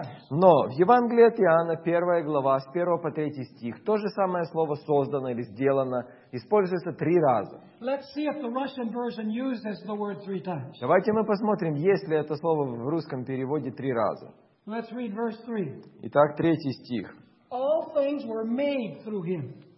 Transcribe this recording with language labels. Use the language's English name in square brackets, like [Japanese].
[Russian] Но в Евангелии от Иоанна, первая глава, с 1 по 3 стих, то же самое слово создано или сделано используется три раза. [English] Let's see if the Russian version uses the word three times. [Russian] Давайте мы посмотрим, есть ли это слово в русском переводе три раза. [English] Let's read verse 3. [Russian] Итак, третий стих. [English] All things were made through him.